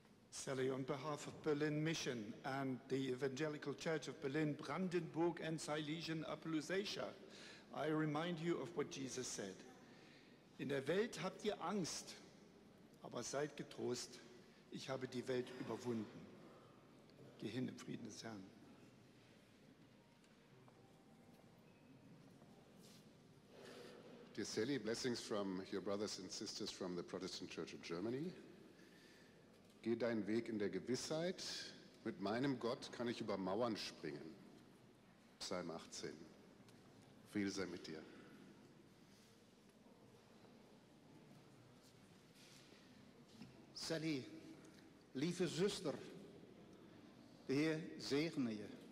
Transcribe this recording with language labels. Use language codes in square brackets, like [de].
[en] Sally, on behalf of Berlin Mission and the Evangelical Church of Berlin, Brandenburg and Silesian Upper Lusatia, I remind you of what Jesus said. [de] In der Welt habt ihr Angst, aber seid getrost, ich habe die Welt überwunden. Geh hin im Frieden des Herrn. [en] Dear Sally, blessings from your brothers and sisters from the Protestant Church of Germany. [de] Geh deinen Weg in der Gewissheit, mit meinem Gott kann ich über Mauern springen. Psalm 18. Friede sei mit dir. Sally, liebe Schwester, der Herr segne je.